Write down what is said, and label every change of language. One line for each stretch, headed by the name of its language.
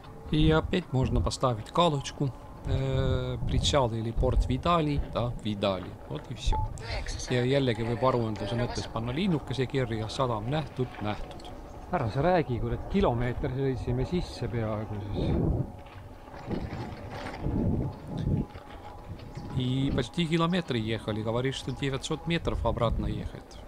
Russian: И опять можно поставить галочку, причал или порт Видали, да, Видали, вот и все.
Estonian: Ja jällegi võib aruanduse mõttes panna linnukese kirja, sadam nähtud, nähtud. Ära sa räägi, kui et kilomeeter sõitsime sisse peaaegu siis.
Russian: И почти километр ехали, говоришь, что 900 метров обратно ехать.